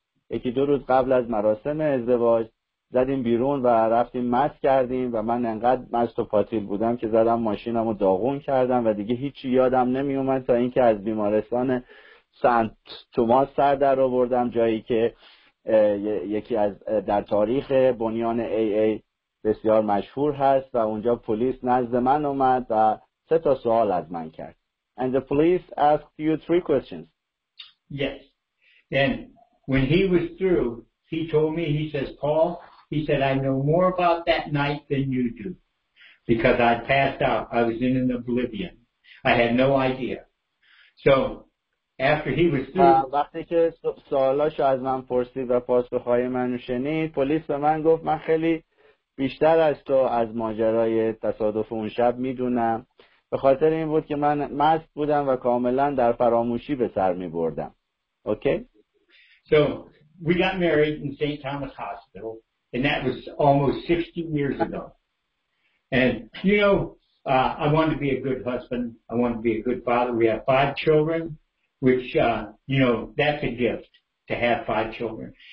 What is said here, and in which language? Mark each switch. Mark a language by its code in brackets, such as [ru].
[fa] یکی دو روز قبل از مراسم ازدواج زدیم بیرون و رفتیم مست کردیم و من انقدر مست و پاتیل بودم که زدم ماشینم رو داغون کردم و دیگه هیچی یادم نمی اومد تا اینکه از بیمارستان سنت توماس سر در آوردم، جایی که یکی از در تاریخ بنیان AA بسیار مشهور هست، و اونجا پلیس نزد من اومد و سه تا سوال از من کرد. [en] And the police asked you three questions. Yes. And when he was through, he told me, he says, Paul, he said, I know more about that night than you do. Because I passed out. I was in an oblivion. I had no idea. So after he was through, [fa] وقتی که سوالاش از من پرسید و پاسخهای منو شنید، پلیس به من گفت من خیلی بیشتر از تو از ماجرای تصادف اون شب میدونم. به خاطر این بود که من مست بودم و کاملا در فراموشی به سر می بردم. [en] Okay? So we got married in St. Thomas Hospital, and that was almost 60 years ago. And you know, I wanted to be a good husband. I wanted to be a good father. We have five children, which you know, that's a gift to have five children.